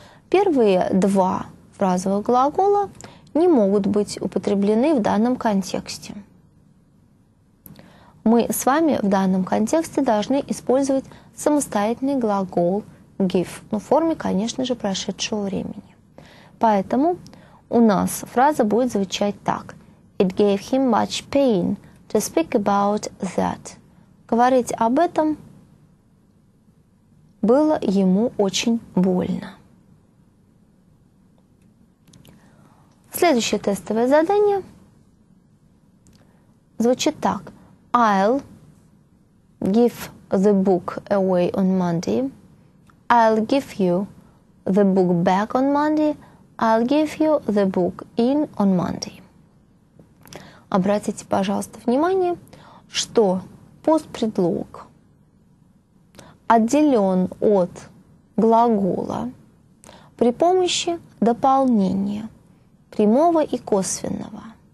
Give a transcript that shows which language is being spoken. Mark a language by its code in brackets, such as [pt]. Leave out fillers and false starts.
[ru] Первые два фразовых глагола не могут быть употреблены в данном контексте. Мы с вами в данном контексте должны использовать самостоятельный глагол give, но в форме, конечно же, прошедшего времени. Поэтому у нас фраза будет звучать так. [en] It gave him much pain to speak about that. [ru] Говорить об этом было ему очень больно. Следующее тестовое задание звучит так. [en] I'll give the book away on Monday. I'll give you the book back on Monday. I'll give you the book in on Monday. [ru] Обратите, пожалуйста, внимание, что постпредлог отделен от глагола при помощи дополнения. Прямого и косвенного.